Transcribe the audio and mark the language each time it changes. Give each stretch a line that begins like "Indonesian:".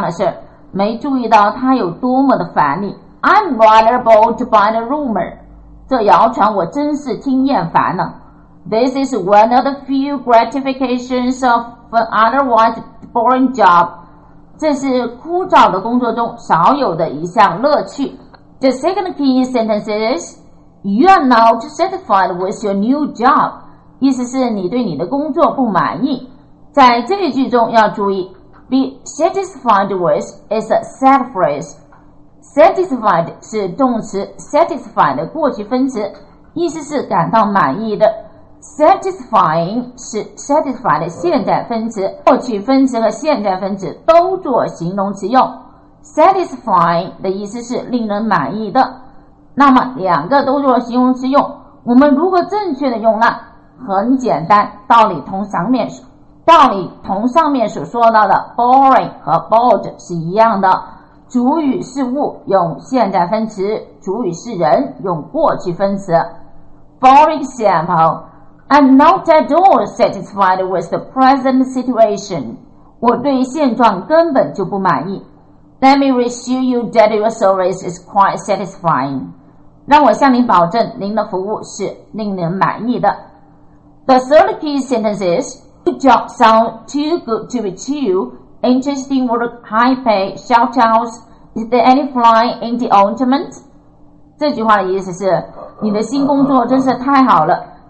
Chinese: 不喋喋不休地说自己工作上的事,没注意到他有多么的烦你。
English: I'm rather bored by the rumor.
Chinese: 这谣传我真是听厌烦了。
English: This is one of the few gratifications of an otherwise boring job.
Chinese: 这是枯燥的工作中少有的一项乐趣.
English: The second key sentence is, You are not satisfied with your new job.
Chinese: 意思是你对你的工作不满意。在这一句中要注意,
English: Be satisfied with is a sad phrase.
Chinese: Satisfied 是动词 satisfied的过去分词, 意思是感到满意的。 Satisfying 是 satisfied的现在分词, 过去分词和现在分词都做形容词用。 Satisfying的意思是令人满意的。那么两个都做形容词用, 我们如何正确的用呢? 很简单, 道理同上面所说到的 boring 和 bored 是一样的。主语是物用现在分词, 主语是人用过去分词。
English: For example, I'm not at all satisfied with the present situation.
Chinese: 我对现状根本就不满意。
English: Let me assure you that your service is quite satisfying.
Chinese: 让我向您保证您的服务是令人满意的。
English: The third key sentence is, Good job sounds too good to be true. Interesting work, high pay, short hours. Is there any fly in the ointment?
Chinese: 这句话的意思是, 你的新工作真是太好了。